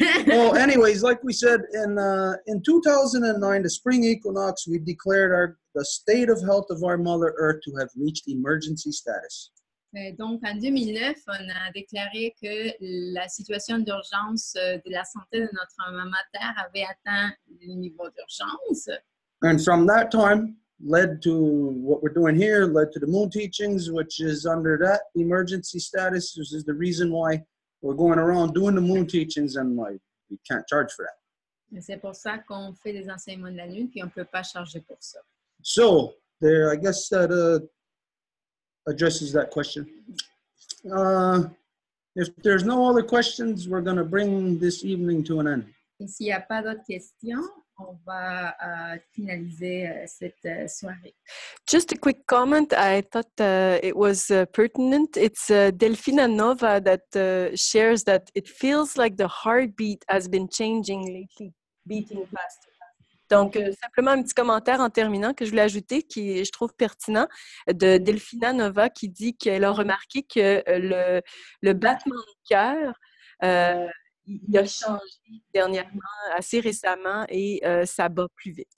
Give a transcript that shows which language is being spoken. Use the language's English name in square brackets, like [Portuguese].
[English] Oh, anyways, like we said, in 2009, the spring equinox, we declared the state of health of our Mother Earth to have reached emergency status. [French] Donc, en 2009, on a déclaré que la situation d'urgence de la santé de notre Maman Terre avait atteint le niveau d'urgence. [English] And from that time, led to what we're doing here, led to the moon teachings, which is under that emergency status, which is the reason why we're going around doing the moon teachings and like we can't charge for that. [French] C'est pour ça qu'on fait des enseignements de la lune puis on peut pas charger pour ça. [English] So, there I guess that addresses that question. If there's no other questions, we're going to bring this evening to an end. [French] Et s'il y a pas d'autres questions, on va finaliser cette soirée. [English] Just a quick comment. I thought it was pertinent. It's Delfina Nova that shares that it feels like the heartbeat has been changing lately, beating faster. [French] Donc, simplement un petit commentaire en terminant que je voulais ajouter, qui je trouve pertinent, de Delfina Nova qui dit qu'elle a remarqué que le battement du cœur il a changé dernièrement, assez récemment, et ça bat plus vite.